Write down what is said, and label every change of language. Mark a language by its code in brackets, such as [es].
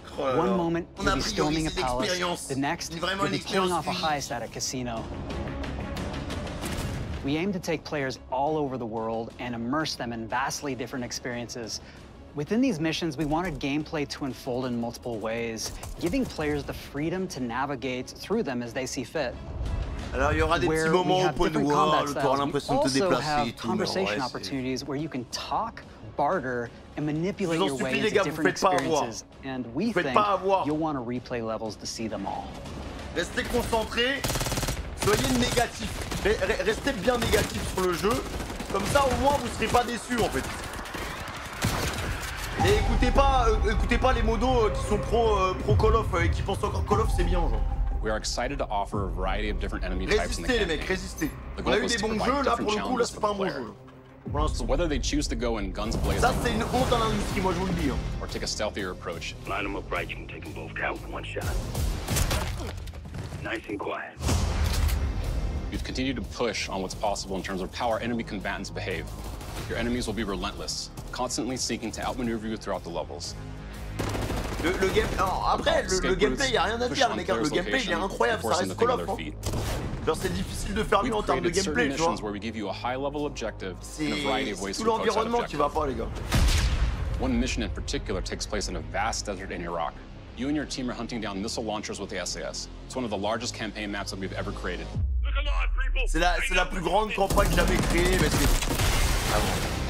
[en] One moment, you'll be storming a palace. The next, you'll be pulling off a heist at a casino. We aim to take players all over the world and immerse them in vastly different experiences. Within these missions, we wanted gameplay to unfold in multiple ways, giving players the freedom to navigate through them as they see fit. [fr] Alors, il y aura des petits moments open world, tu auras l'impression de te déplacer et tout, mais ouais, [en] opportunities where you can talk, barter, and manipulate your way into different experiences. And we think you'll want to replay levels to see them all. [fr] Restez concentrés, soyez négatifs. Restez bien négatifs sur le jeu, comme ça au moins vous ne serez pas déçus en fait. Et écoutez pas les modos qui sont pro Call of et qui pensent encore Call of c'est bien genre. [en] We are excited to offer a variety of different enemy types. [fr] Résistez les mecs, résistez. On a eu des bons jeux là pour le coup là c'est pas un bon jeu. [en] So whether they choose to go in guns blazing. [fr] Ça c'est une honte à l'industrie, moi je vous le dis. Hein. [en] Or take a stealthier approach. Line them up right, you can take them both down with one shot. Nice and quiet. You've continued to push on what's possible in terms of how our enemy combatants behave. Your enemies will be relentless, constantly seeking to outmaneuver you throughout the levels. [fr] Le game, alors après, le gameplay, y a rien à dire, mais car le gameplay, il est incroyable, ça reste Call of. Genre, c'est difficile de faire mieux en termes de gameplay, tu vois. [en] Where we give you a high level objective. [fr] C'est tout l'environnement qui va pas, les gars. [en] One mission in particular takes place in a vast desert in Iraq. You and your team are hunting down missile launchers with the SAS. It's one of the largest campaign maps that we've ever created. [fr] C'est la plus grande campagne jamais créée, mais c'est.